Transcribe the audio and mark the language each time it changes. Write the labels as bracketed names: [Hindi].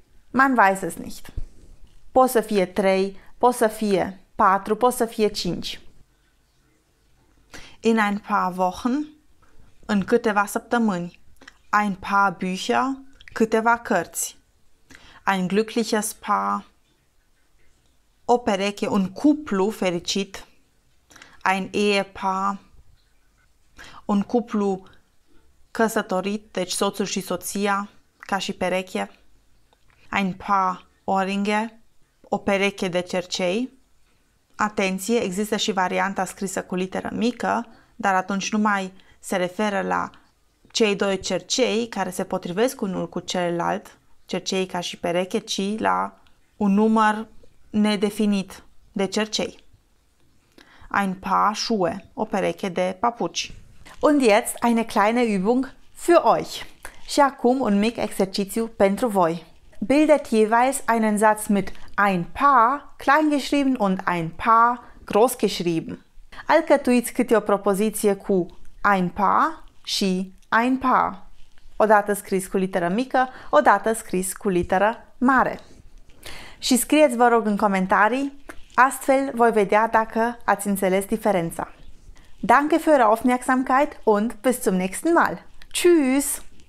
[German] Man weiß es nicht. [Romanian] Po să fie trei. Po să fie patru, po să fie cinci. [German] In ein paar Wochen, [Romanian] în câteva săptămâni. [German] Ein paar Bücher, [Romanian] câteva cărți. [German] Ein glückliches Paar. [Romanian] O pereche, un cuplu fericit. [German] Ein Ehepaar. [Romanian] Un cuplu căsătorit, deci soțul și soția, ca și pereche. [German] Ein paar Ohrringe. [Romanian] O pereche de cercei. Atenție, există și varianta scrisă cu literă mică, dar atunci nu mai se referă la cei doi cercei care se potrivesc unul cu celălalt, cercei ca și pereche, ci la un număr nedefinit de cercei. [German] Ein paar Schuhe, [Romanian] o pereche de papuci. [German] Und jetzt eine kleine Übung für euch. [Romanian] Și acum un mic exercițiu pentru voi. [German] Bildet jeweils einen Satz mit ein paar kleingeschrieben und ein paar großgeschrieben. [Romanian] Alcătuiți câte o propoziție cu ein paar și ein paar. Odată scris cu literă mică, odată scris cu literă mare. Și scrieți, vă rog, în comentarii, astfel voi vedea dacă ați înțeles diferența. [German] Danke für eure Aufmerksamkeit und bis zum nächsten Mal. Tschüss!